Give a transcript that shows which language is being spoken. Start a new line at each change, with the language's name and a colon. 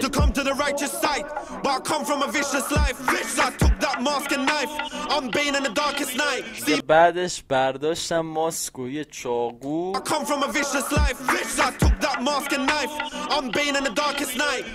English: To come to the righteous sight, but I come from a vicious life. Bitch, I took that mask and knife. I'm being in the darkest night.
Persian: بعدش برداشتم ماسک و یه چاقو.
English: I come from a vicious life. Bitch, I took that mask and knife. I'm being in the darkest night.